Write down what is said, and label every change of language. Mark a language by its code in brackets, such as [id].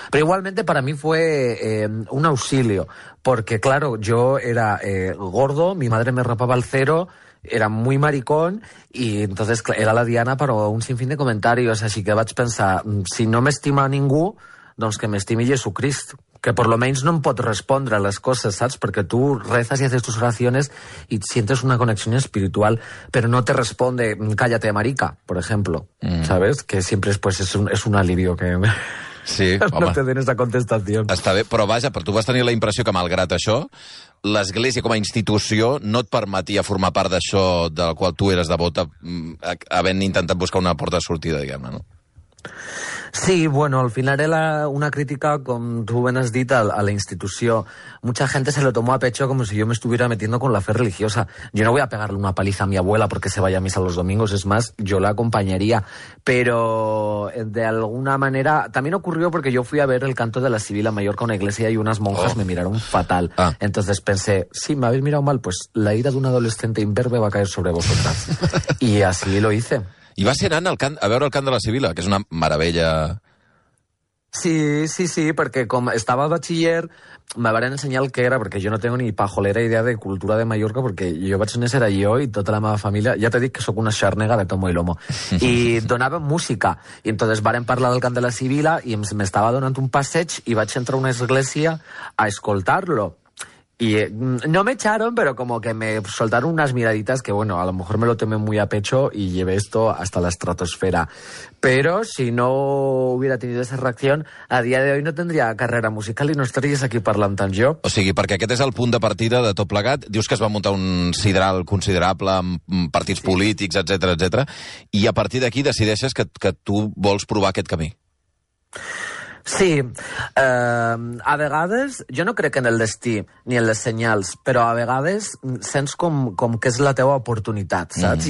[es] Pero igualmente para mí fue un auxilio, porque claro, yo era gordo, mi madre me rapaba al cero, era muy maricón, y entonces era la Diana para un sinfín de comentarios, así que [ca] vaig pensar, si no m'estima ningú, doncs que m'estimi Jesucrist, [es] que por lo menos [ca] no em pot respondre a les coses, saps? Perquè tu [es] rezas i haces tus oraciones i sientes una [ca] connexió espiritual, però [es] no te responde, cállate, marica, por ejemplo, ¿sabes? Que siempre es, pues, es un alivio que... Sí, no te den esa contestación. [ca] Està bé, però vaja, però tu vas tenir la impressió que malgrat això, l'Església com a institució no et permetia formar part d'això del qual tu eres devota, havent intentat buscar una porta de sortida, diguem-ne, no? Sí, bueno, al final era una crítica, com tu ben has dit, a la institució. [es] Mucha gente se lo tomó a pecho como si yo me estuviera metiendo con la fe religiosa. Yo no voy a pegarle una paliza a mi abuela porque se vaya a misa los domingos, es más, yo la acompañaría. Pero de alguna manera, también ocurrió porque yo fui a ver el canto de la Sibila Mayor con la iglesia y unas monjas me miraron fatal. Ah. Entonces pensé, si me habéis mirado mal, pues la ira de un adolescente imberbe va a caer sobre vosotras. Y así lo hice. [ca] I va ser anant a veure el cant de la Sibila, que és una meravella. Sí, sí, sí, perquè com estava batxiller, me van ensenyar el que era, perquè jo [es] no tengo ni pajolera idea de cultura de Mallorca, [ca] perquè jo vaig néixer allò i tota la meva família, ja t'he dit que sóc una xarnega de tomo i lomo, i donava música. I entonces varen parlar del cant de la Sibila i m'estava donant un passeig i vaig entrar a una església a escoltar-lo. [es] Y no me echaron, pero como que me soltaron unas miraditas que, bueno, a lo mejor me lo tomé muy a pecho y llevé esto hasta la estratosfera. Pero si no hubiera tenido esa reacción, a día de hoy no tendría carrera musical y no estaríais aquí [ca] parlant tant jo. O sigui, perquè aquest és el punt de partida de tot plegat. Dius que es va muntar un sidral considerable amb partits sí. polítics, etc etc. I a partir d'aquí decideixes que tu vols provar aquest camí. Sí, a vegades, jo no crec en el destí ni en les senyals, però a vegades sents com que és la teva oportunitat, saps?